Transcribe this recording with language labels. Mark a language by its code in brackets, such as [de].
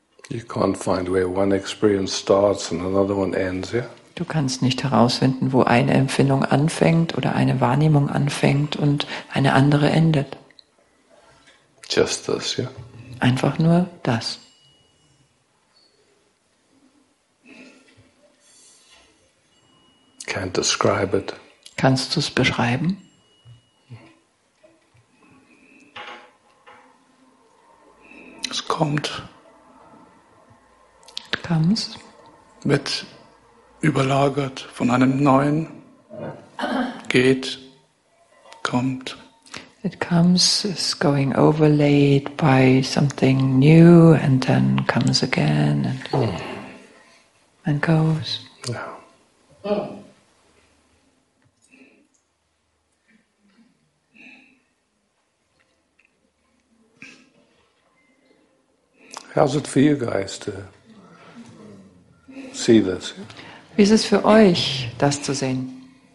[en] You can't find where one experience starts and another one ends, yeah? [de] Du kannst nicht herausfinden, wo eine Empfindung anfängt oder eine Wahrnehmung anfängt und eine andere endet. [en] Just this, yeah? [de] Einfach nur das. [en] Can't describe it. [de] Kannst du es beschreiben? Es kommt. [en] Comes. [de] Wird überlagert von einem neuen, geht, kommt. [en] It comes, is going overlaid by something new and then comes again and, and goes. Yeah. How's it for you guys to see this? [de] Wie ist es für euch, das zu sehen?